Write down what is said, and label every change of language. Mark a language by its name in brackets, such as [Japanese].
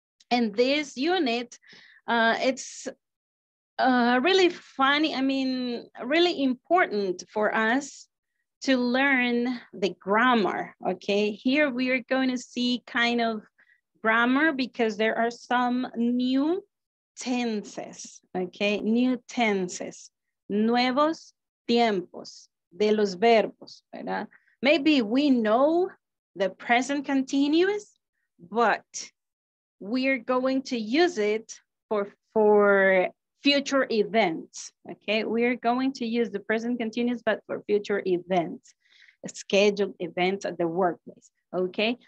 [English] And this unit, it's really funny, I mean, really important for us to learn the grammar, okay? Here we are going to see kind of grammar because there are some new tenses, okay? New tenses, [Spanish] nuevos tiempos de los verbos, ¿verdad? [English] Maybe we know the present continuous, but we're going to use it for future events, okay? We're going to use the present continuous, but for future events, scheduled events at the workplace, okay?